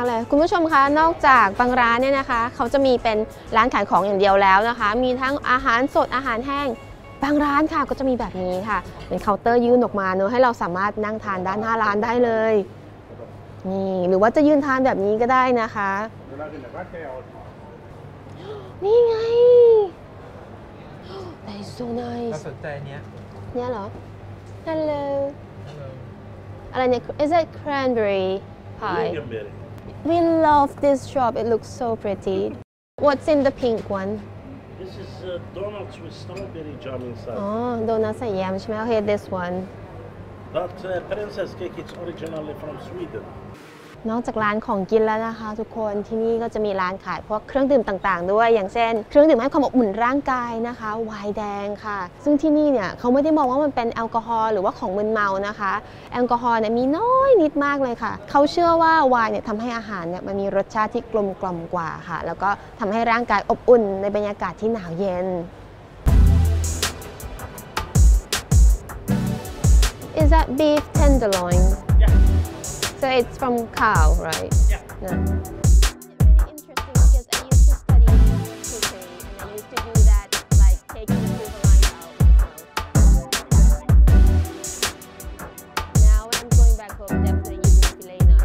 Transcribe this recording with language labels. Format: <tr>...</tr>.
<th>คุณผู้ชมคะนอกจากบางร้านเนี่ยนะคะเขาจะมีเป็นร้านขายของอย่างเดียวแล้วนะคะมีทั้งอาหารสดอาหารแห้งบางร้านค่ะก็จะมีแบบนี้ค่ะเป็นเคาน์เตอร์ยื่นออกมาเนอะให้เราสามารถนั่งทานด้านหน้าร้านได้เลยนี่หรือว่าจะยืนทานแบบนี้ก็ได้นะคะนี่ไง</th> <en>That is so nice</en> <th>น่าสนใจเนี้ย เนี้ยเหรอ Hello</th> <en>Hello</en> <th>อะไรเนี่ย</th> <en>is it cranberry pie wait a minute we love this shop it looks so pretty what's in the pink one this is donuts with strawberry jam inside oh donuts and jam</en> <th>ใช่ไหมโอเค</th> <en>this one that princess cake it's originally from Sweden</en> <th>นอกจากร้านของกินแล้วนะคะทุกคนที่นี่ก็จะมีร้านขายพวกเครื่องดื่มต่างๆด้วยอย่างเช่นเครื่องดื่มให้ความอบอุ่นร่างกายนะคะไวน์แดงค่ะซึ่งที่นี่เนี่ยเขาไม่ได้มองว่ามันเป็นแอลกอฮอล์หรือว่าของมึนเมานะคะ แอลกอฮอล์เนี่ยมีน้อยนิดมากเลยค่ะเขาเชื่อว่าไวน์เนี่ยทำให้อาหารเนี่ยมันมีรสชาติที่กลมกล่อมกว่าค่ะแล้วก็ทำให้ร่างกายอบอุ่นในบรรยากาศที่หนาวเย็น</th> <en>Is that beef tenderloinSo it's from cow, right? Yeah. Very interesting because I used to study cooking and I used to do that, like taking the whole line out. Now when I'm going back home, definitely using filet knife.</en>